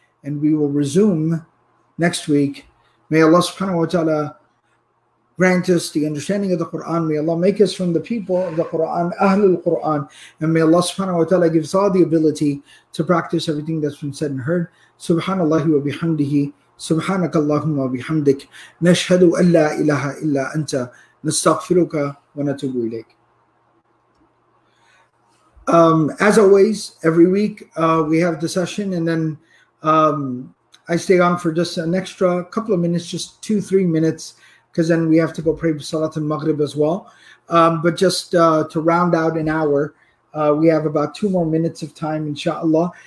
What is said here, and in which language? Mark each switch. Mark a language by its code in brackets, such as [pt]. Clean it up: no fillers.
[en] And we will resume next week. May Allah subhanahu wa ta'ala grant us the understanding of the Quran. May Allah make us from the people of the Quran, Ahlul Quran. And may Allah subhanahu wa ta'ala give us all the ability to practice everything that's been said and heard. [ar] Subhanallah wa bihamdihi. سبحانك اللهم وبحمدك نشهد أن لا إله إلا أنت نستغفرك ونتوب إليك. [en] As always, every week we have the session, and then I stay on for just an extra couple of minutes, just 2-3 minutes, because then we have to go pray Salat al-Maghrib as well. But just to round out an hour, we have about 2 more minutes of time, inshallah.